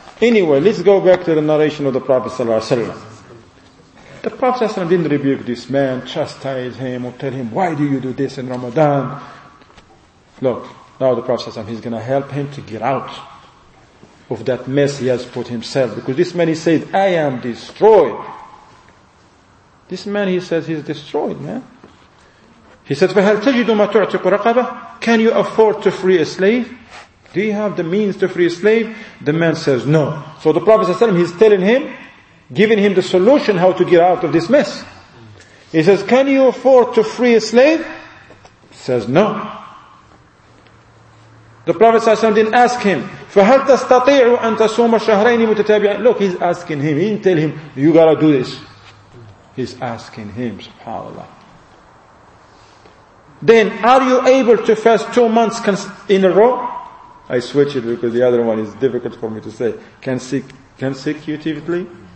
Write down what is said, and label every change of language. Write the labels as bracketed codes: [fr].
[en] Anyway, let's go back to the narration of the Prophet Sallallahu Alaihi Wasallam. The Prophet ﷺ didn't rebuke this man, chastise him, or tell him, why do you do this in Ramadan? Look, now the Prophet ﷺ, he's going to help him to get out of that mess he has put himself. Because this man, he said, I am destroyed. This man, he says, he's destroyed, man. He says, [ar] فَهَلْ تَجِدُ مَا تُعْتِقُ رَقَبَةً? [en] Can you afford to free a slave? Do you have the means to free a slave? The man says, no. So the Prophet ﷺ, he's telling him, giving him the solution how to get out of this mess. He says, can you afford to free a slave? He says, no. The Prophet ﷺ didn't ask him, [ar] فَهَلْ تَسْتَطِيعُ أَن تَسُومَ شَهْرَيْنِ مُتَتَابِعَيْنِ? [en] Look, he's asking him. He didn't tell him, you gotta do this. He's asking him, subhanAllah. Then, are you able to fast 2 months in a row? I switch it because the other one is difficult for me to say. Consecutively?